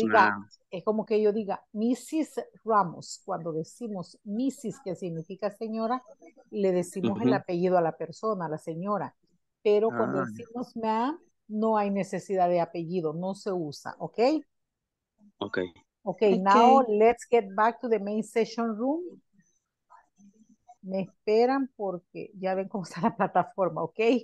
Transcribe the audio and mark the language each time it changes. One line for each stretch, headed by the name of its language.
Spanish: yo diga, es como que yo diga, Mrs. Ramos, cuando decimos Mrs., que significa señora, le decimos el apellido a la persona, a la señora. Pero cuando decimos ma'am, no hay necesidad de apellido, no se usa, ¿ok? Ok.
English: Ok, now let's get back to the main session room.
Spanish: Me esperan porque ya ven cómo está la plataforma, ¿ok?